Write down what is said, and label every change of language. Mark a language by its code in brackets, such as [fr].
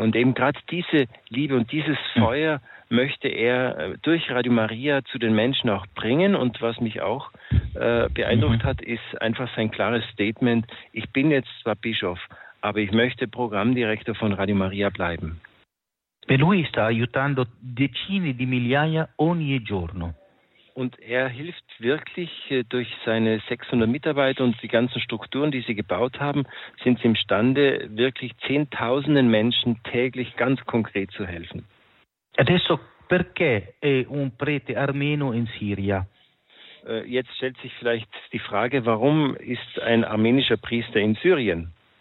[de] Und eben gerade diese Liebe und dieses Feuer möchte er durch Radio Maria zu den Menschen auch bringen. Und was mich auch beeindruckt hat, ist einfach sein klares Statement: Ich bin jetzt zwar Bischof, aber ich möchte Programmdirektor von Radio Maria bleiben. [it] E lui sta aiutando decine di migliaia ogni giorno. [de] Und er hilft wirklich durch seine 600 Mitarbeiter und die ganzen Strukturen, die sie gebaut haben, sind sie imstande, wirklich zehntausenden Menschen täglich ganz konkret zu helfen. [it] Adesso, perché è un prete armeno in Siria? [de] Jetzt stellt sich vielleicht die Frage, warum ist ein armenischer Priester in Syrien?